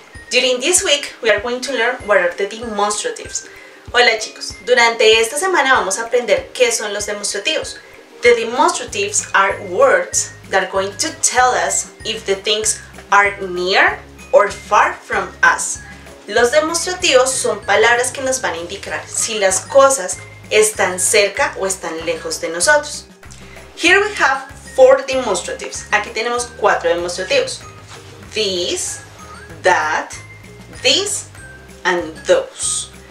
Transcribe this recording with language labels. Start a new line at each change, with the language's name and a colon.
English: During this week, we are going to learn what are the demonstratives.
Spanish: Hola chicos, durante esta semana vamos a aprender qué son los demostrativos.
English: The demonstratives are words that are going to tell us if the things are near or far from us.
Spanish: Los demostrativos son palabras que nos van a indicar si las cosas están cerca o están lejos de nosotros.
English: Here we have four demonstratives.
Spanish: Aquí tenemos cuatro demostrativos.
English: This, that, this, and those.